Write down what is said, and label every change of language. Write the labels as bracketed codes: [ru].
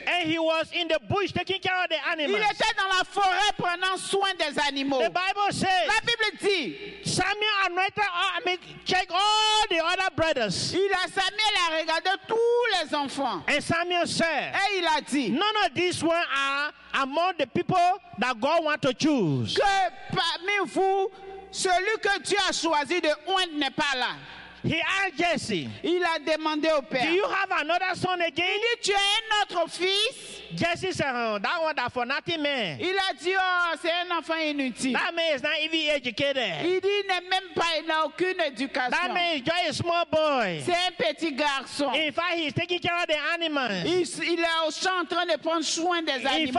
[en] And he was in the bush taking care of the animals. [fr] Il était dans la forêt prenant soin des animaux. [en] The Bible says, [fr] la Bible dit, [en] Samuel anointed check all the other brothers. [fr] Samuel a regardé tous les enfants. [en] And Samuel said, [fr] et il a dit, [en] none of these ones are among the people that God wants to choose. [fr] Que parmi vous, celui que Dieu a choisi de oindre n'est pas là. [en] He asked Jesse, [fr] il a demandé au père, [en] do you have another son again? [fr] Il dit, tu as un autre fils? [en] Jesse said, oh, that one that for nothing, man. [fr] Il a dit, oh, c'est un enfant inutile. [en] That man is not even educated. [fr] Il dit, n'est même pas, il n'a aucune éducation. [en] That man is just a small boy. [fr] C'est un petit garçon. [en] In fact, he's taking care of the animals. [fr] Il est au champ en train de prendre soin des animaux.